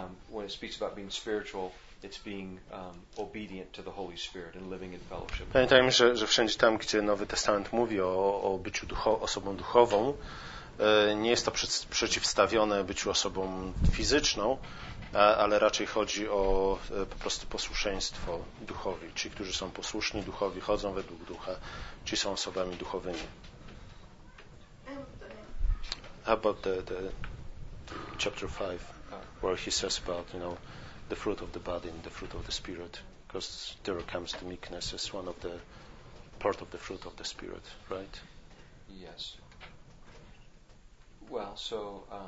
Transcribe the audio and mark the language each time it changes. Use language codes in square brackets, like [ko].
[en] When it speaks about being spiritual, it's being obedient to the Holy Spirit and living in fellowship. [pl] Pamiętajmy, że wszędzie tam, gdzie Nowy Testament mówi o byciu osobą duchową, nie jest to przeciwstawione byciu osobą fizyczną, ale raczej chodzi o po prostu posłuszeństwo duchowi. Ci, którzy są posłuszni duchowi, chodzą według ducha, ci są osobami duchowymi. [en] How about the chapter 5, where he says about, you know, the fruit of the body and the fruit of the spirit, because there comes the meekness as one of the part of the fruit of the spirit, right? Yes. Well, so...